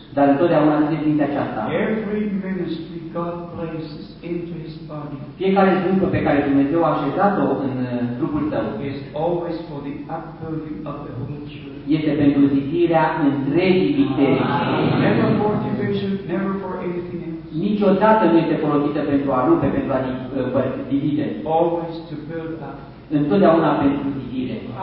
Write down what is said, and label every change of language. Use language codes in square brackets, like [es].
[ro] Dar întotdeauna țineți minte aceasta. [en] Every ministry God places into his body. [ro] Fiecare slujbă pe care Dumnezeu a așezat-o în trupul tău. [en] Is always for the upbuilding of the whole church. [ro] Este pentru zidirea întregii biserici. [en] Never for division, never for anything else. [ro] Niciodată nu este folosită pentru a rupe, pentru a divide. [en] Always to build up. [ro] Întotdeauna pentru zidire.